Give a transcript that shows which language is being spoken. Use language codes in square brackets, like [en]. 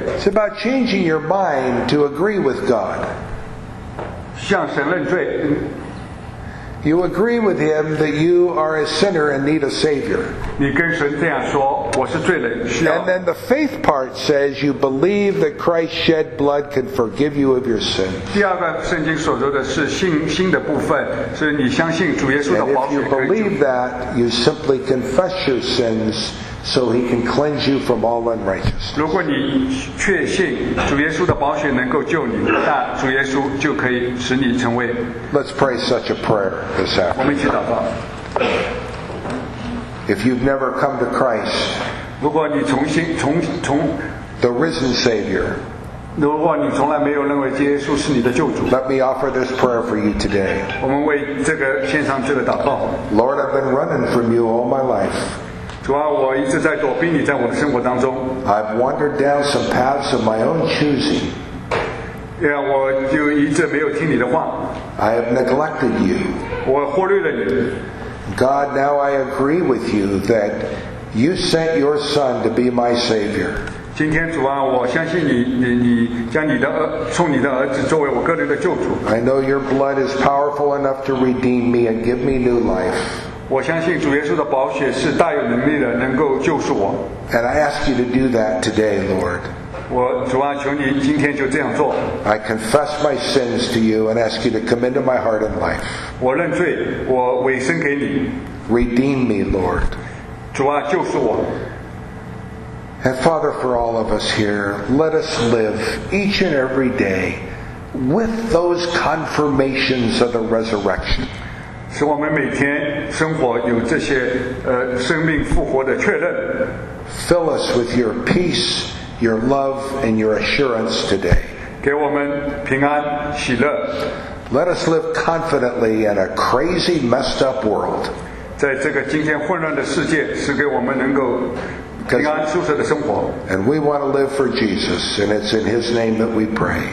[en] It's about changing your mind to agree with God. [zh] 向神认罪。 [en] You agree with him that you are a sinner and need a savior. [zh] 你跟神这样说，我是罪人，需要。 [en] And then the faith part says you believe that Christ shed blood can forgive you of your sin. [zh] 第二个圣经所说的是信的部分，是你相信主耶稣的宝血可以救。 [en] And if you believe that, you simply confess your sins. So he can cleanse you from all unrighteousness. [zh] 如果你确信主耶稣的宝血能够救你，那主耶稣就可以使你成为。 [en] Let's pray such a prayer this afternoon. [zh] 我们一起祷告。 [en] If you've never come to Christ, [zh] 如果你重新 [en] the risen Savior, [zh] 如果你从来没有认为耶稣是你的救主， [en] let me offer this prayer for you today. [zh] 我们为这个献上这个祷告。 [en] Lord, I've been running from you all my life. I've wandered down some paths of my own choosing. I have neglected you. God, now I agree with you that you sent your Son to be my Savior. [zh] 今天主啊，我相信你，你将你的儿，送你的儿子作为我个人的救主。 [en] I know your blood is powerful enough to redeem me and give me new life. [zh] 我相信主耶稣的宝血是大有能力的，能够救赎我。 [en] And I ask you to do that today, Lord. [zh] 我主啊，求你今天就这样做。 [en] I confess my sins to you and ask you to come into my heart and life. [zh] 我认罪，我委身给你。 [en] Redeem me, Lord. [zh] 主啊，救赎我。 [en] And Father, for all of us here, let us live each and every day with those confirmations of the resurrection. [zh] 使我们每天生活有这些生命复活的确认。 [en] Fill us with your peace, your love, and your assurance today. [zh] 给我们平安喜乐。 [en] Let us live confidently in a crazy, messed up world. [zh] 在这个今天混乱的世界，使给我们能够 [en] And we want to live for Jesus, and it's in His name that we pray.